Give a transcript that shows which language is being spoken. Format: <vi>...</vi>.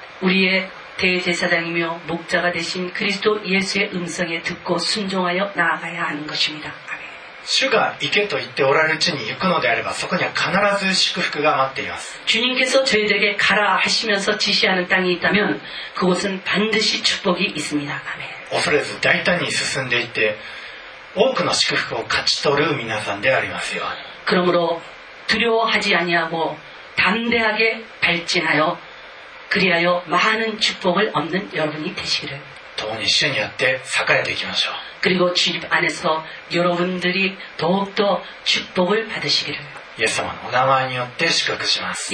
<ko>우리의 대제사장이며 목자가 되신 그리스도 예수의 음성에 듣고 순종하여 나아가야 하는 것입니다.</ko> <ja>主が行けと言っておられる地に行くのであればそこには必ず祝福が待っています。</ja> <ko>주님께서 저희에게 가라 하시면서 지시하는 땅이 있다면 그곳은 반드시 축복이 있습니다.</ko> <ja>恐れず大胆に進んでいって 多くの祝福を勝ち取る皆さんでありますように。</ja> <ko>그러므로 두려워하지 아니하고 담대하게 발진하여 그리하여 많은 축복을 얻는 여러분이 되시기를. 더군이 주님에 대해 사가야되기마셔. 그리고 주님 안에서 여러분들이 더욱더 축복을 받으시기를.</ko> <ja>예수様のお名前によって祝福します。</ja>